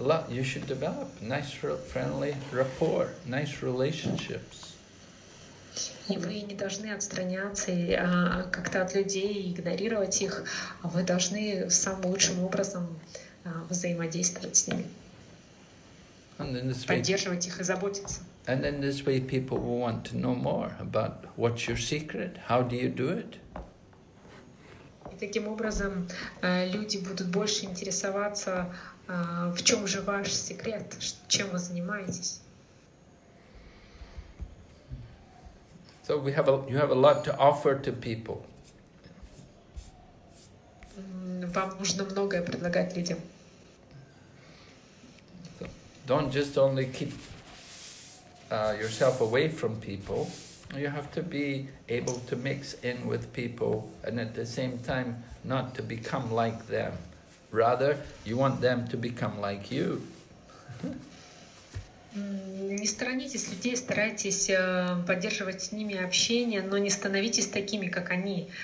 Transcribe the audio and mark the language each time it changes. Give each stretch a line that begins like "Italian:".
English: You should develop nice, friendly rapport, nice relationships.
Russian: И вы не должны отстраняться как-то от людей и игнорировать их, а вы должны самым лучшим образом взаимодействовать с ними, поддерживать их и заботиться.
English: And in this way people will want to know more about what's your secret, how do you do it.
Russian: И таким образом люди будут больше интересоваться, в чем же ваш секрет, чем вы занимаетесь.
English: So we have you have a lot to offer to people.
Russian: Вам нужно многое предлагать людям.
English: Don't just only keep yourself away from people. You have to be able to mix in with people and at the same time not to become like them. Rather, you want them to become like you.
Russian: Не сторонитесь людей, старайтесь поддерживать с ними общение, но не становитесь такими, как они.